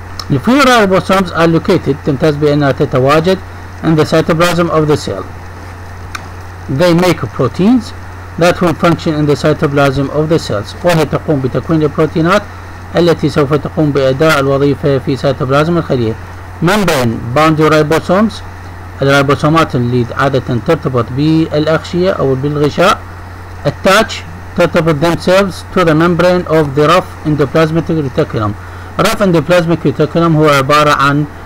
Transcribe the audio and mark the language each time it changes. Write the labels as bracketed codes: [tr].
[en] The free ribosomes are located [ar] تمتاز بأنها تتواجد [en] in the cytoplasm of the cell. They make proteins that will function in the cytoplasm of the cells. [ar] وهي تقوم بتكوين البروتينات التي سوف تقوم بأداء الوظيفة في cytoplasm الخلية. [en] Membrane bound ribosomes [ar] الريبوسومات اللي عادة ترتبط بالأغشية أو بالغشاء [en] attach ترتبط themselves to the membrane of the rough endoplasmic reticulum. Rough endoplasmic reticulum [ar] هو عبارة عن